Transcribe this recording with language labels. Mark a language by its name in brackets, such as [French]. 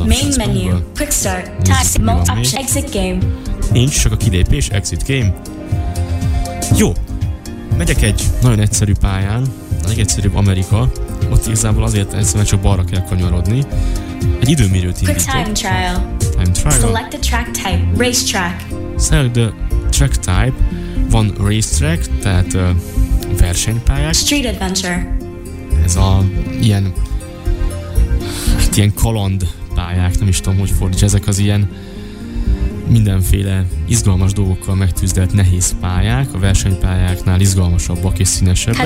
[English] options menu. Main menu, quick start, task, mode option, exit game. [Hungarian] Nincs, csak a kilépés, exit game. Jó, megyek egy nagyon egyszerű pályán, a legegyszerűbb Amerika. Ott igazából azért egyszerűen csak balra kell kanyarodni. Egy időmérőt indítok. [English] Quick time trial. Time trial. Select the track type, race track. Select the track type. [Hungarian] Van race track, tehát versenypályák. [English] Street adventure. [Hungarian] Ez a ilyen... ilyen kaland pályák, nem is tudom, hogy fordíts, ezek az ilyen mindenféle izgalmas dolgokkal megtűzdelt nehéz pályák, a versenypályáknál izgalmasabbak és színesebbek.